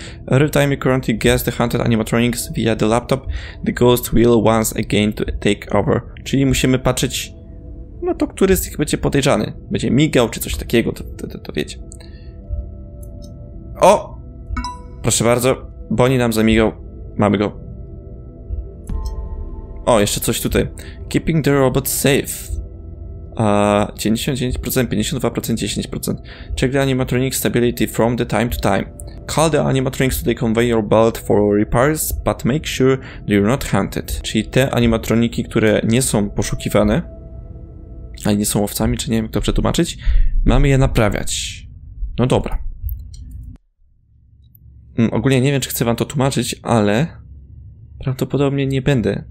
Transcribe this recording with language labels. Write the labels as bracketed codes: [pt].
[en] Every time you currently guess the haunted animatronics via the laptop, the ghost will once again to take over. [pl] Czyli musimy patrzeć, no to który z nich będzie podejrzany. Będzie migał czy coś takiego, to wiecie. O! Proszę bardzo, Bonnie nam zamigał. Mamy go. O, jeszcze coś tutaj. [en] Keeping the robot safe. [pl] 99%, 52%, 10%. [en] Check the animatronic stability from the time to time. Call the animatronics to the conveyor belt for repairs, but make sure they are not hunted. [pl] Czyli te animatroniki, które nie są poszukiwane, ale nie są owcami, czy nie wiem, jak to przetłumaczyć, mamy je naprawiać. No dobra. Ogólnie nie wiem, czy chcę wam to tłumaczyć, ale prawdopodobnie nie będę.